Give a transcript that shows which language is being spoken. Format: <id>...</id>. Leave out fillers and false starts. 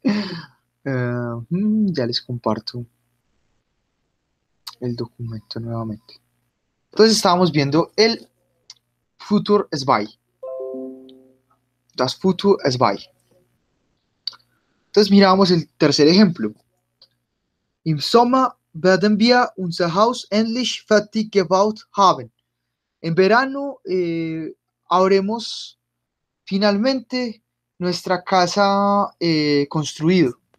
<es>Ya les comparto el documento nuevamente. Entonces estábamos viendo el futur Zwei.</es> <de>Das futur Zwei.</de> <es>Entonces mirábamos el tercer ejemplo.</es> <de>Im Sommer werden wir unser Haus endlich fertig gebaut haben.</de> <es>En verano habremos finalmente nuestra casa construido.</es>